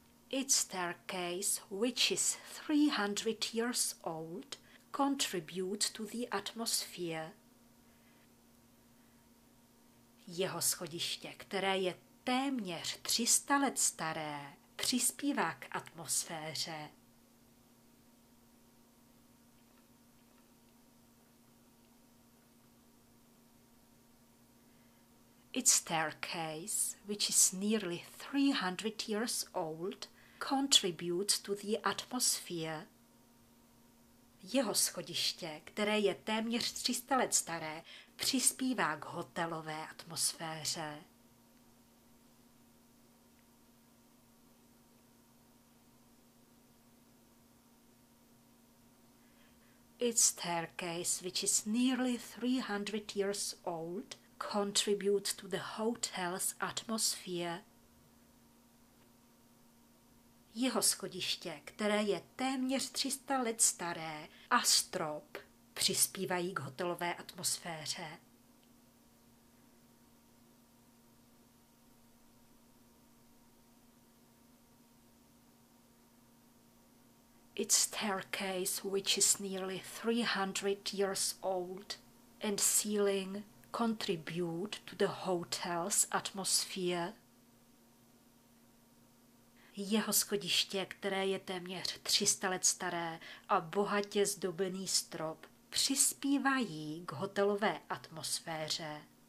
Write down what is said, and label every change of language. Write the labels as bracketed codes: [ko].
[en] Its staircase, which is 300 years old, contributes to the atmosphere. [cs] Jeho schodiště, které je téměř 300 let staré, přispívá k atmosféře. [en] Its staircase, which is nearly 300 years old, contributes to the atmosphere. [cs] Jeho schodiště, které je téměř 300 let staré, přispívá k hotelové atmosféře. [en] Its staircase, which is nearly 300 years old, contributes to the hotel's atmosphere. [cs] Jeho schodiště, které je téměř 300 let staré, a strop přispívají k hotelové atmosféře. [en] its staircase, which is nearly 300 years old, and ceiling contribute to the hotel's atmosphere. [cs] Jeho schodiště, které je téměř 300 let staré a bohatě zdobený strop, přispívají k hotelové atmosféře.